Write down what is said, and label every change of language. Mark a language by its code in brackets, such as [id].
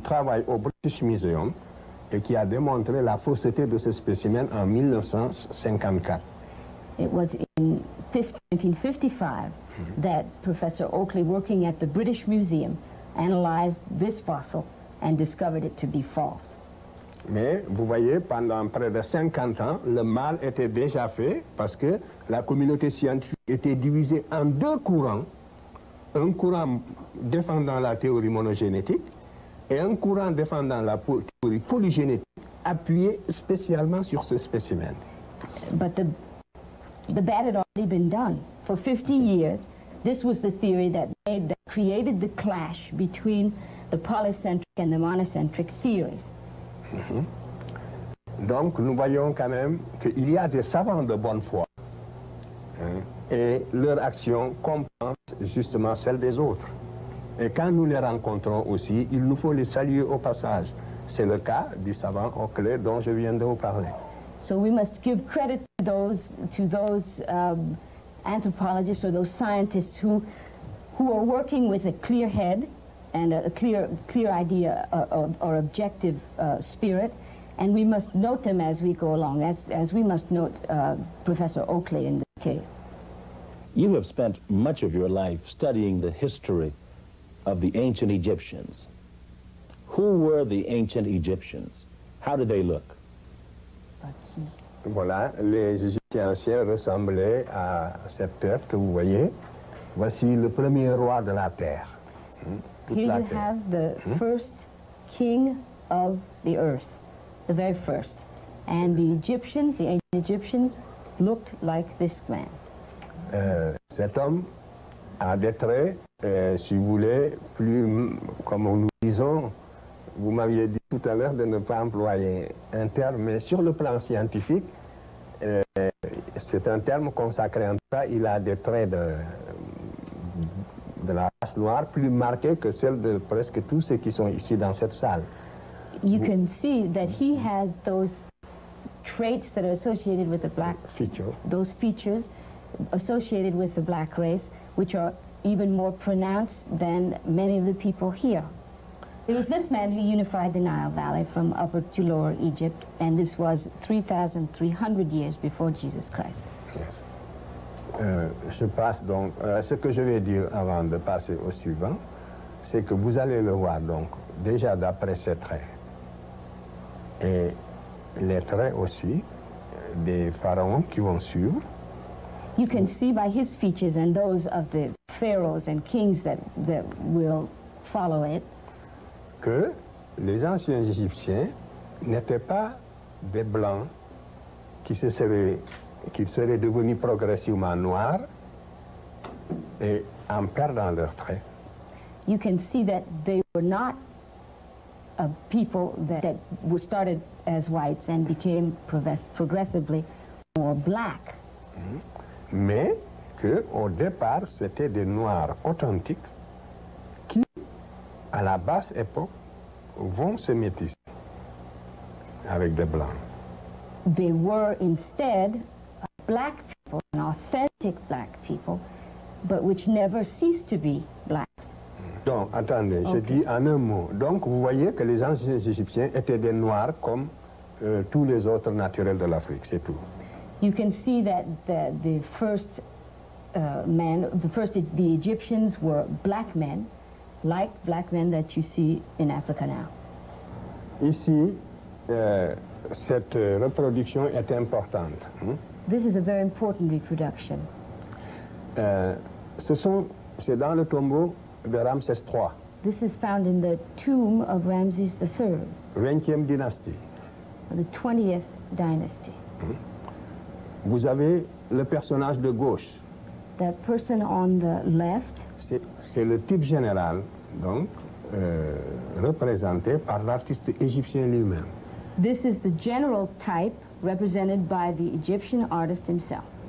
[fr] travaille au British Museum et qui a démontré la fausseté de ce spécimen en 1954. [en] It was in 1955 that Professor Oakley, working at the British Museum, analyzed this fossil and discovered it to be false. [fr] Mais vous voyez, pendant près de 50 ans, le mal était déjà fait parce que la communauté scientifique était divisée en deux courants. Un courant défendant la théorie monogénétique et un courant défendant la théorie polygénétique appuyé spécialement sur ce spécimen. [en] But the bad had already been done. For 50 years, this was the theory that created the clash between the polycentric and the monocentric theories. [fr] Donc nous voyons quand même qu'il y a des savants de bonne foi et leur action compense justement celle des autres. Et quand nous les rencontrons aussi, il nous faut les saluer au passage. C'est le cas du savant Oakley dont je viens de vous parler. [en] So we must give credit to those anthropologists or those scientists who are working with a clear head and a clear idea or objective spirit. And we must note them as we go along, as we must note Professor Oakley in this case. You have spent much of your life studying the history of the ancient Egyptians. Who were the ancient Egyptians? How did they look? [fr] Voilà, les Égyptiens anciens ressemblaient à cette terre que vous voyez. Voici le premier roi de la terre. [en] Here you have the first king of the earth, the very first. And the Egyptians, the ancient Egyptians, looked like this man. [fr] Cet homme a des traits, si vous voulez, plus, comme nous disons, vous m'aviez dit tout à l'heure de ne pas employer un terme, mais sur le plan scientifique, c'est un terme consacré en tout cas, il a des traits de la race noire plus marqués que celle de presque tous ceux qui sont ici dans cette salle. [en] Can see that he has those traits that are associated with the black feature. Those features associated with the black race, which are even more pronounced than many of the people here. It was this man who unified the Nile Valley from upper to lower Egypt, and this was 3,300 years before Jesus Christ. Yes. [fr] Je passe donc, ce que je vais dire avant de passer au suivant, c'est que vous allez le voir donc déjà d'après ses traits, et les traits aussi des pharaons qui vont suivre. [en] You can see by his features and those of the pharaohs and kings that will follow it, [fr] que les anciens Égyptiens n'étaient pas des blancs qui seraient devenus progressivement noirs et en perdant leurs traits. [en] You can see that they were not a people that started as whites and became progressively more black. [fr] Mais que au départ c'était des noirs authentiques qui, à la basse époque, vont se métisser avec des blancs. [en] They were instead black people, an authentic black people, but which never ceased to be blacks. [fr] Donc, attendez, okay. Je dis en un mot. Donc, vous voyez que les anciens Égyptiens étaient des noirs comme tous les autres naturels de l'Afrique, c'est tout. [en] You can see that the first men, the Egyptians were black men, like black men that you see in Africa now. [fr] Ici, cette reproduction est importante. [en] This is a very important reproduction. [fr] C'est dans le tombeau de Ramsès III. [en] This is found in the tomb of Ramses III. [fr] 20e dynastie. [en] The 20th dynasty. [fr] Vous avez le personnage de gauche. [en] That person on the left. [fr] C'est le type général, donc, représenté par l'artiste égyptien lui-même. [en] This is the general type represented by the Egyptian artist himself.